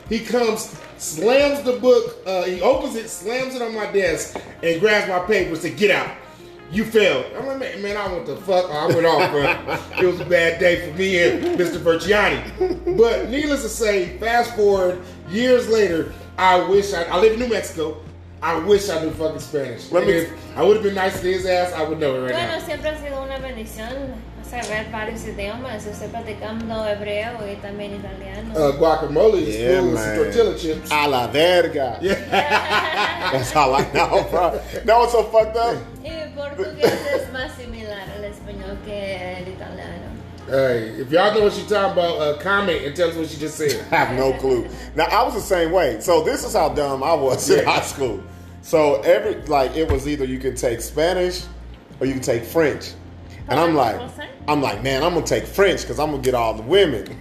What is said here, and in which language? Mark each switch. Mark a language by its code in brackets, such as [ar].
[en] He comes, slams the book, he opens it, slams it on my desk, and grabs my papers to get out. You failed. I'm like, man, I went the fuck, I went off, bro. It was a bad day for me and Mr. Virgiani. But needless to say, fast forward, years later, I live in New Mexico. I wish I knew fucking Spanish. I would have been nice to his ass. I would know it right now. [es] Bueno, siempre ha sido una bendición saber varios idiomas. Estoy practicando hebreo y también italiano. [en] Guacamole is food, some tortilla chips. [es] A la verga. [en] Yeah. That's all I know, bro. That was so fucked up. [es] Y portugués es más similar al español que el italiano. [en] Hey, if y'all know what she's talking about, comment and tell us what she just said. I have no clue. Now, I was the same way. So, this is how dumb I was in high school. So, it was either you can take Spanish or you can take French. And I'm like, man, I'm going to take French because I'm going to get all the women.